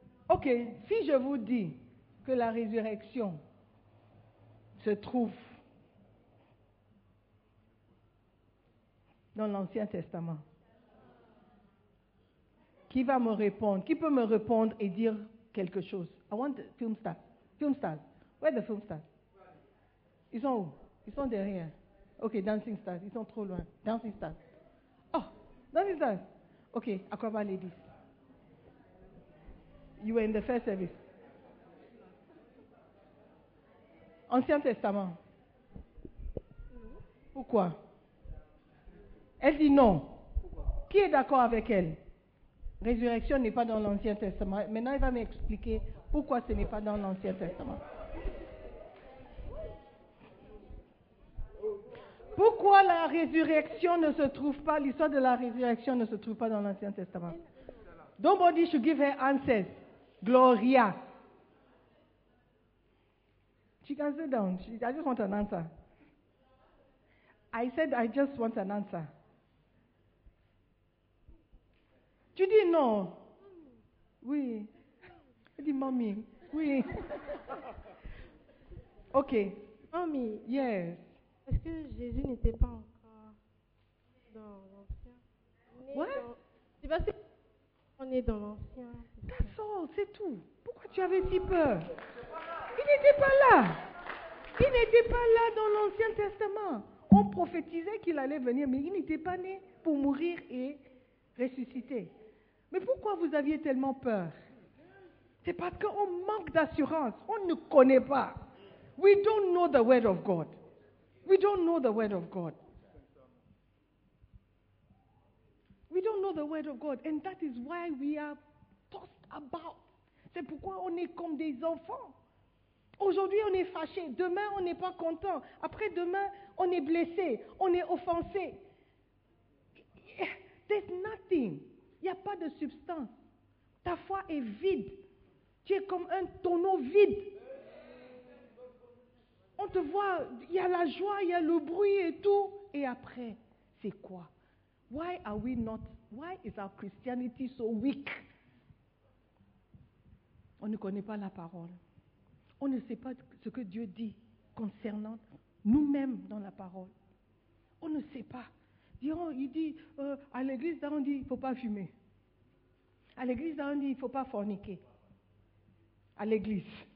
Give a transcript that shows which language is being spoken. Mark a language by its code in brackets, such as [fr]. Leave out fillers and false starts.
[fr] Ok, si je vous dis que la résurrection se trouve dans l'Ancien Testament, qui va me répondre? Qui peut me répondre et dire quelque chose? [en] I want the film star. Film star. Where are the film stars? [fr] Ils sont où? Ils sont derrière. [en] Ok, dancing stars. [fr] Ils sont trop loin. [en] Dancing stars. Oh, dancing stars. Ok, Aquaba ladies. You were in the first service. [fr] Ancien Testament. Pourquoi? Elle dit non. Qui est d'accord avec elle? Résurrection n'est pas dans l'Ancien Testament. Maintenant, il va m'expliquer pourquoi ce n'est pas dans l'Ancien Testament. Pourquoi la résurrection ne se trouve pas, l'histoire de la résurrection ne se trouve pas dans l'Ancien Testament? [en] Nobody should give her answers. Gloria. She can sit down. I just want an answer. I said I just want an answer. [fr] Tu dis non. Oui. Elle dit mommy. Oui. Ok. [en] Mommy. Yes. [fr] Est-ce que Jésus n'était pas encore dans l'Ancien? [en] What? [fr] C'est parce qu'on est dans l'Ancien. [en] That's all. [fr] C'est tout. Pourquoi tu avais si peur? Il n'était pas là. Il n'était pas là dans l'Ancien Testament. On prophétisait qu'il allait venir, mais il n'était pas né pour mourir et ressusciter. Mais pourquoi vous aviez tellement peur? C'est parce qu'on manque d'assurance. On ne connaît pas. [en] We don't know the word of God. We don't know the word of God. We don't know the word of God. And that is why we are tossed about. [fr] C'est pourquoi on est comme des enfants. Aujourd'hui, on est fâché. Demain, on n'est pas content. Après demain, on est blessé. On est offensé. [en] There's nothing. [fr] Il n'y a pas de substance. Ta foi est vide. Tu es comme un tonneau vide. On te voit, il y a la joie, il y a le bruit et tout. Et après, c'est quoi? [en] Why are we not? Why is our Christianity so weak? [fr] On ne connaît pas la parole. On ne sait pas ce que Dieu dit concernant nous-mêmes dans la parole. On ne sait pas. Il dit, à l'église, là, on dit, il ne faut pas fumer. À l'église, là, on dit, il ne faut pas forniquer. À l'église.